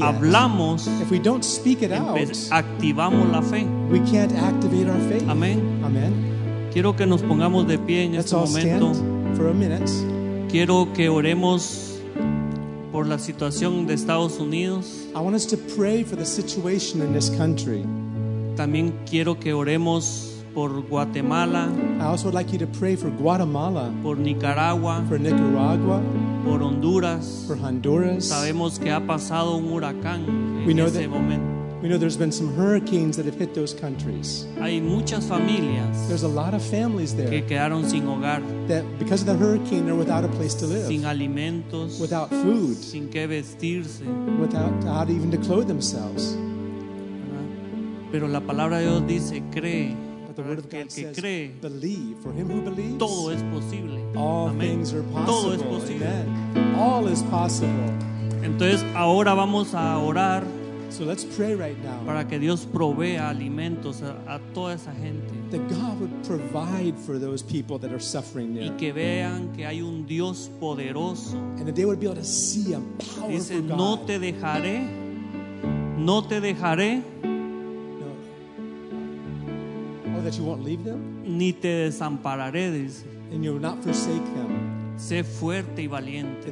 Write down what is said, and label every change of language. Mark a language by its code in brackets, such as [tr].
[es] hablamos [en] yet. If we don't speak it out [es] activamos la fe. [en] We can't activate our faith. [es] Amen. [en] Amen. [es] Quiero que nos pongamos de pie en [en] Let's [es] este momento. [en] For a minute. [es] Quiero que oremos por la situación de Estados Unidos. [en] I want us to pray for the situation in this country. [es] También quiero que oremos por Guatemala. [en] I also would like you to pray for Guatemala. [es] Por Nicaragua. [en] For Nicaragua. [es] Por Honduras. [en] For Honduras. [es] Sabemos que ha pasado un huracán en ese momento. [en] We know there's been some hurricanes that have hit those countries. [es] Hay muchas familias. [en] There's a lot of families there. [es] Que quedaron sin hogar. [en] That because of the hurricane, they're without a place to live. [es] Sin alimentos. [en] Without food. [es] Sin que vestirse. [en] Without how even to clothe themselves. [es] Pero la palabra de Dios dice, cree. [en] But the word of God says, [es] cree, [en] believe. For him who believes, [es] todo es posible. [en] All [es] Amen. [en] Things are possible. [es] Todo es posible. [en] Amen. All is possible. [es] Entonces, ahora vamos a orar. [en] So let's pray right now. [es] Para que Dios provea alimentos a toda esa gente. [en] That God would provide for those people that are suffering there. [es] Y que vean que hay un Dios poderoso. [en] And that they would be able to see a powerful [es] Dice, [en] God. [es] No te dejaré. No te dejaré. [en] No. Or that you won't leave them. [es] Ni te desampararé. Dice. [en] And you will not forsake them. [es] Sé fuerte y valiente.